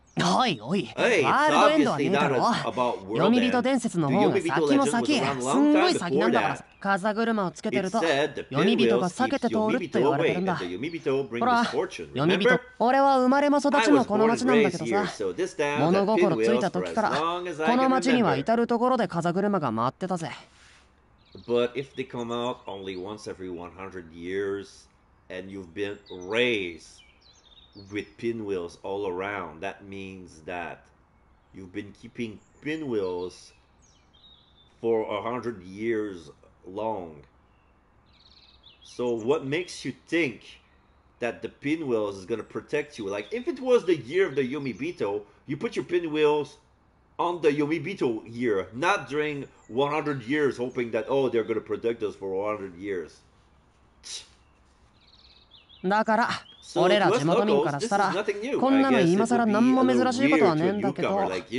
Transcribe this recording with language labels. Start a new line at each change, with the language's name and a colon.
Japanese: おいおい、ワールドエンドはねえだろ。ヨミビト伝説の方が先も先、すんごい先なんだからさ。風車をつけてると、ヨミビトが避けて通るって言われてるんだ。ほら、ヨミビト、俺は生まれも育ちもこの町なんだけどさ。物心ついた時から、この町には至る所で風車が回ってたぜ。
English: But if they come out only once every 100 years, and you've been raised... With pinwheels all around, that means that you've been keeping pinwheels for 100 years long. So what makes you think that the pinwheels is going to protect you? Like, if it was the year of the Yomibito, you put your pinwheels on the Yomibito year, not during 100 years hoping that, oh, they're going to protect us for 100 years.
Japanese: だから俺ら地元民からしたらこんなの今更何も珍しいことはねえんだけど。